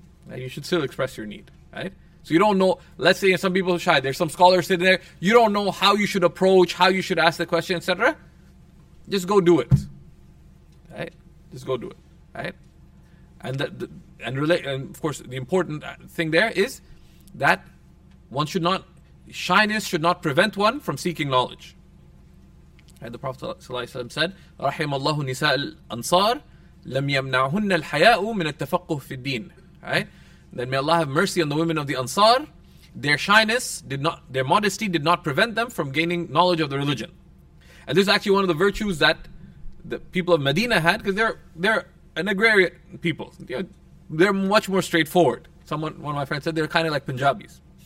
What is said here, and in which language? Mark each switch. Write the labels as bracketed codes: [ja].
[en] And you should still express your need, right? So you don't know, let's say some people are shy, there's some scholars sitting there, you don't know how you should approach, how you should ask the question, etc. Just go do it, right? Just go do it, right? And of course, the important thing there is that one should not, shyness should not prevent one from seeking knowledge. And the Prophet ﷺ said, [ar] رَحِمَ اللَّهُ نِسَاءَ الْأَنصَارِ لَمْ يَمْنَعْهُنَّ الْحَيَاءُ مِنَ التَّفَقُّهُ فِي الدِّينِ. [en] Right? Then may Allah have mercy on the women of the Ansar. Their shyness did not, their modesty did not prevent them from gaining knowledge of the religion. And this is actually one of the virtues that the people of Medina had, because they're an agrarian people. They're much more straightforward. One of my friends said they're kind of like Punjabis.